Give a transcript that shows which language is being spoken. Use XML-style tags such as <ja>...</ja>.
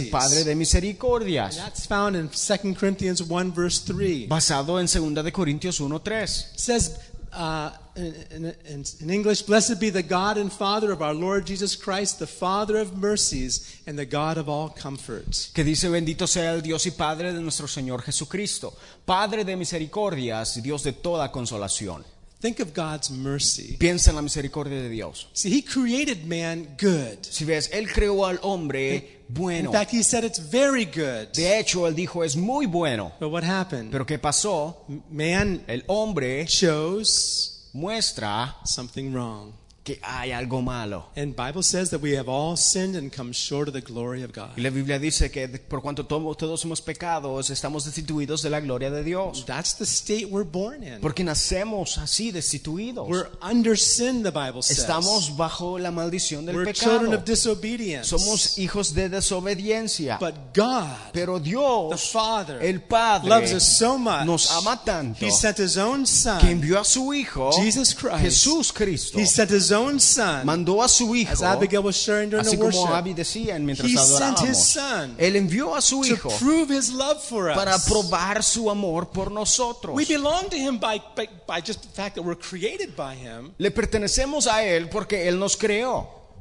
<es>El padre de misericordias.</es> <en>And that's found in 2 Corinthians 1 verse 3.</en> <es>Basado en 2 de Corintios 1 3.</es> <en>Says in English, blessed be the God and Father of our Lord Jesus Christ, the Father of mercies and the God of all comfort.</en> <es>Que dice, bendito sea el Dios y Padre de nuestro Señor Jesucristo, Padre de misericordias y Dios de toda consolación.</es> <en>Think of God's mercy.</en> <es>Piensa en la misericordia de Dios.</es> <en>See, he created man good.</en> <es>Si ves, él creó al hombre bueno.</es> <en>In fact, he said it's very good.</en> <es>De hecho, él dijo es muy bueno.</es> <en>But what happened?</en> <es>Pero qué pasó?</es> <en>Man,</en> <es>el hombre</es> <en>chose</en> <es>muestra</es> <en>something wrong.</en> <es>Que hay algo malo.</es> <en>And Bible says that we have all sinned and come short of the glory of God.</en> <es>Y la Biblia dice que por cuanto todos hemos pecado, estamos destituidos de la gloria de Dios.</es> <en>That's the state we're born in.</en> <es>Porque nacemos así destituidos.</es> <en>We're under sin, the Bible says.</en> <es>Estamos bajo la maldición del</es> <en>we're</en> <es>pecado.</es> <en>We're children of disobedience.</en> <es>Somos hijos de desobediencia.</es> <en>But God,</en> <es>pero Dios,</es> <en>the Father,</en> <es>el Padre,</es> <en>loves us so much.</en> <es>Nos ama tanto.</es> <en>He sent his own son.</en> <es>Que envió a su hijo,</es> <en>Jesus Christ.</en> <es>Jesús Cristo.</es> <en>He sent his own son.</en> <es>Mandó a su hijo,</es> <en>as Abigail was sharing during the worship.</en> <es>Así como Abby decía mientras</es> <en>he</en> <es>adorábamos.</es> <en>He sent his son.</en> <es>Él envió a su hijo</es> <en>to prove his love for us.</en> <es>Para probar su amor por nosotros.</es> <en>We belong to him by just the fact that we're created by him.</en> <es>Le pertenecemos a él porque él nos creó.</es>